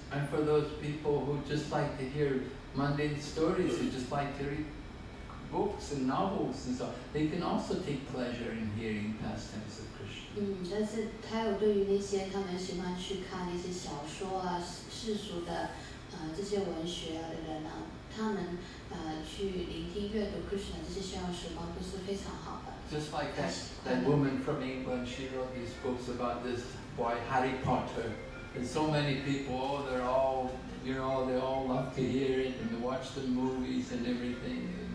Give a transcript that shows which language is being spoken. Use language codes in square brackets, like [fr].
[en] And for those people who just like to hear mundane stories, who just like to read books and novels and so, they can also take pleasure in hearing pastimes of Krishna. [zh] 但是他有对于那些他们喜欢去看那些小说啊、世俗的这些文学的人呢、啊，他们去聆听阅读Krishna这些逍遥时光都是非常好的。 [en] Just like that woman from England, she wrote these books about this boy, Harry Potter. And so many people, oh, they're all, you know, they all love to hear it and to watch the movies and everything.